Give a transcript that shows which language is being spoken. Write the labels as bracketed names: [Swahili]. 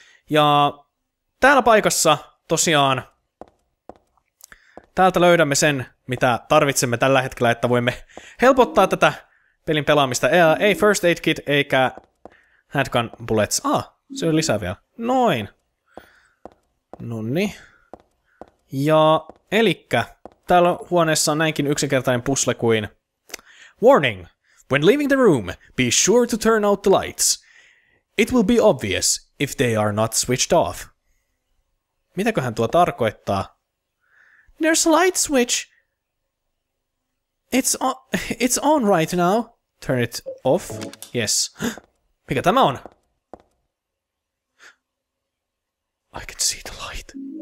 [Finnish] Ja täällä paikassa tosiaan täältä löydämme sen, mitä tarvitsemme tällä hetkellä, että voimme helpottaa tätä pelin pelaamista. Ei first aid kit, eikä handgun bullets. Ah, se on lisää vielä. Noin. Nonni. Ja elikkä... Täällä huoneessa on näinkin yksinkertainen pusle kuin... [English] Warning! When leaving the room, be sure to turn out the lights. It will be obvious if they are not switched off. [Finnish] Mitäköhän tuo tarkoittaa? [English] There's a light switch! It's on right now. Turn it off? Yes. [Finnish] Mikä tämä on? [English] I can see the light.